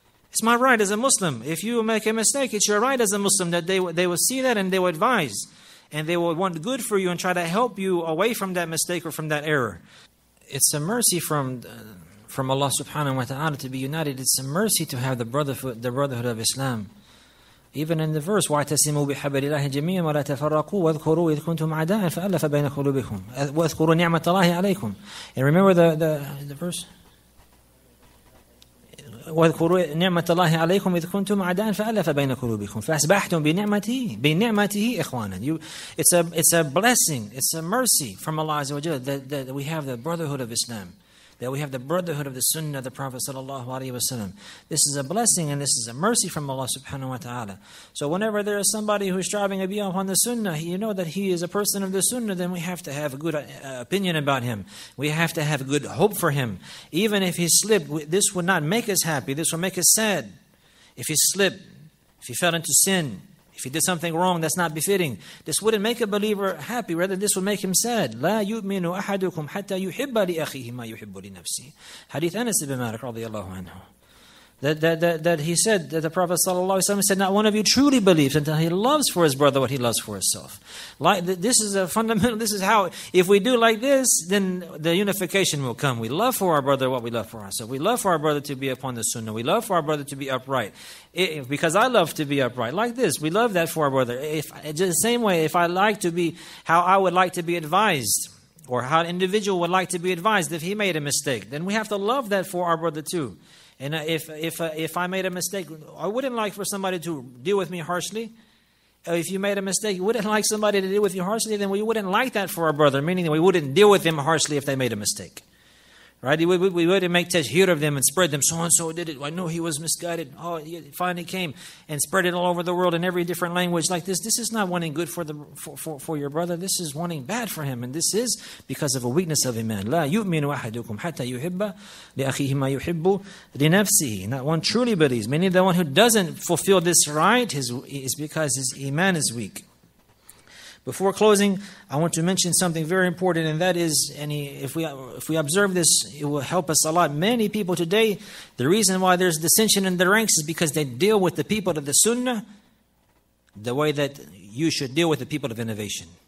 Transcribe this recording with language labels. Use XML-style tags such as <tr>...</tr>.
<en>It's my right as a Muslim. If you make a mistake, it's your right as a Muslim that they will see that and they will advise. And they will want good for you and try to help you away from that mistake or from that error. It's a mercy from Allah subhanahu wa ta'ala to be united. It's a mercy to have the brotherhood of Islam. Even in the verse,</en> <ar>وَاعْتَصِمُوا بِحَبْلِ اللَّهِ جَمِيعًا وَلَا تَفَرَّقُوا وَاذْكُرُوا إِذْ كُنْتُمْ عَدَاءً فَأَلَّفَ بَيْنَ قُلُوبِكُمْ وَاذْكُرُوا نِعْمَةَ اللَّهِ عَلَيْكُمْ.</ar> <en>And remember the verse?</en> <ar>وَاذْكُرُوا نِعْمَةَ اللَّهِ عَلَيْكُمْ إِذْ كُنْتُمْ عَدَاءً فَأَلَّفَ بَيْنَ قُلُوبِكُمْ فَأَصْبَحْتُمْ بِنِعْمَتِهِ إِخْوَانًا.</ar> <en>It's a blessing, it's a mercy from Allah Azza wa Jalla that we have the brotherhood of Islam, that we have the brotherhood of the Sunnah of the Prophet sallallahu alaihi wasallam. This is a blessing and this is a mercy from Allah subhanahu wa ta'ala. So whenever there is somebody who is striving to be upon the Sunnah, you know that he is a person of the Sunnah, then we have to have a good opinion about him. We have to have good hope for him. Even if he slipped, this would not make us happy. This would make us sad. If he slipped, if he fell into sin, if he did something wrong that's not befitting, this wouldn't make a believer happy. Rather, this would make him sad.</en> <ar>لا يؤمن أحدكم حتى يحب لأخيه ما يحب لنفسه.</ar> <en>Hadith Anas ibn Malik رضي الله عنه. That he said, that the Prophet sallallahu alaihi wasallam said, not one of you truly believes until he loves for his brother what he loves for himself. Like this is a fundamental. This is how, if we do like this, then the unification will come. We love for our brother what we love for ourselves. We love for our brother to be upon the sunnah. We love for our brother to be upright. Because I love to be upright like this, we love that for our brother. If just the same way, if I like to be how I would like to be advised, or how an individual would like to be advised if he made a mistake, then we have to love that for our brother too. And if I made a mistake, I wouldn't like for somebody to deal with me harshly. If you made a mistake, you wouldn't like somebody to deal with you harshly, then we wouldn't like that for our brother, meaning that we wouldn't deal with them harshly if they made a mistake. Right? We wouldn't make tashhir of them and spread them. So-and-so did it. I know he was misguided. Oh, he finally came and spread it all over the world in every different language like this. This is not wanting good for your brother. This is wanting bad for him. And this is because of a weakness of iman.</en> <ar>لا يؤمن أحدكم حتى يحب لأخيه ما يحب لنفسه.</ar> <en>Not one truly believes. Meaning the one who doesn't fulfill this right is because his iman is weak. Before closing, I want to mention something very important, and that is, if we observe this, it will help us a lot. Many people today, the reason why there's dissension in the ranks is because they deal with the people of the sunnah the way that you should deal with the people of innovation.</en>